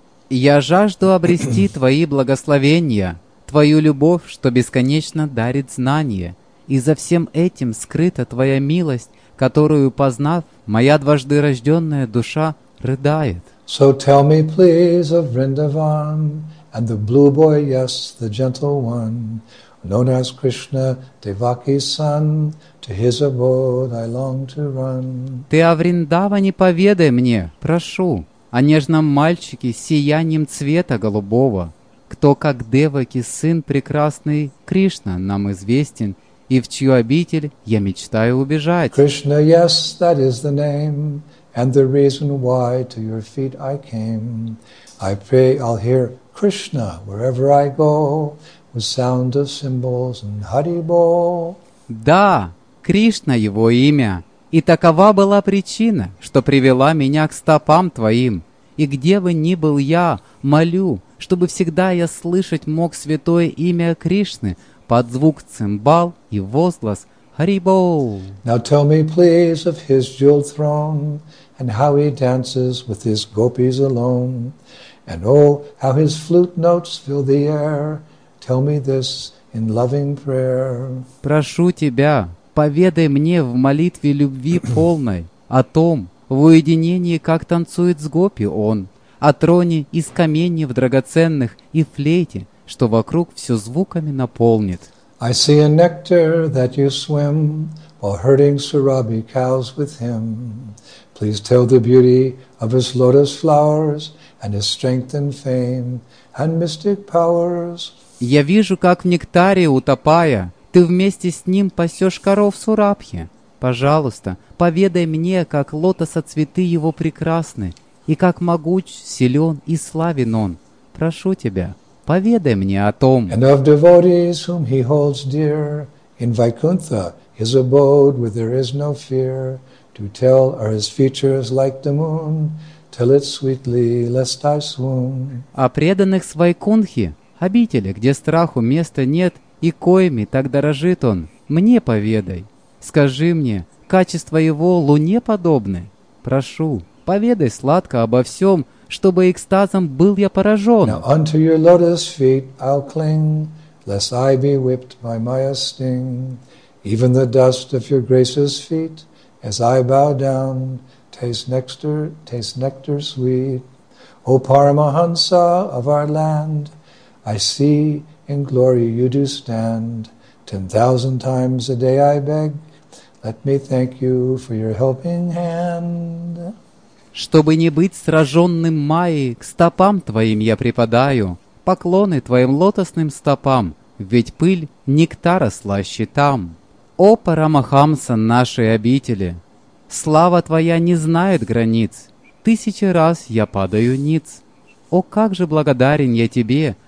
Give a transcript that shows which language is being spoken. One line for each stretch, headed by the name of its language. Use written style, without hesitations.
Russian: Я жажду обрести твои благословения, твою любовь, что бесконечно дарит знание, и за всем этим скрыта твоя милость, которую, познав, моя дважды рожденная душа рыдает.
English: So tell me, please, of Vrindavan, and the blue boy, yes, the gentle one, known as Krishna, Devaki's son, to his abode I long to run.
Russian: Ты о Вриндаване поведай мне, прошу, о нежном мальчике с сиянием цвета голубого, кто, как Деваки, сын прекрасный Кришна, нам известен, и в чью обитель я мечтаю убежать.
English: Krishna, yes, that is the name, and the reason why to your feet I came. I pray I'll hear Krishna wherever I go, with sound of cymbals and haribol.
Russian: Да, Кришна его имя, и такова была причина, что привела меня к стопам твоим. И где бы ни был я, молю, чтобы всегда я слышать мог святое имя Кришны под звук цимбал и возглас «Харибол».
English: Now tell me, please, of his jeweled throne, and how he dances with his gopis alone, and oh, how his flute notes fill the air, tell me this in loving prayer.
Russian: Прошу тебя, поведай мне в молитве любви полной о том, в уединении, как танцует с гопи он, о троне из каменьев драгоценных и флейте, что вокруг все звуками наполнит.
English: I see a nectar that you swim while herding Surabhi cows with him. Please tell the beauty of his lotus flowers and his strength and fame and mystic powers.
Russian: Я вижу, как в нектаре утопая, ты вместе с ним пасешь коров Сурабхи. Пожалуйста, поведай мне, как лотоса цветы его прекрасны, и как могуч, силен и славен он. Прошу тебя, поведай мне о том.
English: And of devotees, whom he holds dear, in Vaikuntha, his abode, where there is no fear, to tell are his features like the moon, tell it sweetly, lest I swoon.
Russian: О преданных с Вайкунхи, обители, где страху места нет, и коими так дорожит он, мне поведай. Скажи мне, качества его луне подобны? Прошу, поведай сладко обо всем, чтобы экстазом был я поражен.
English: Now unto your lotus feet I'll cling, lest I be whipped by Maya's sting. Even the dust of your grace's feet, as I bow down, tastes nectar sweet. O Paramahansa of our land, I see in glory you do stand. 10,000 times a day I beg, let me thank you for your helping hand.
Russian: Чтобы не быть сраженным Майей, к стопам твоим я припадаю, поклоны твоим лотосным стопам, ведь пыль нектара слаще там. О, Парамахамса нашей обители, слава твоя не знает границ, тысячи раз я падаю ниц. О, как же благодарен я тебе,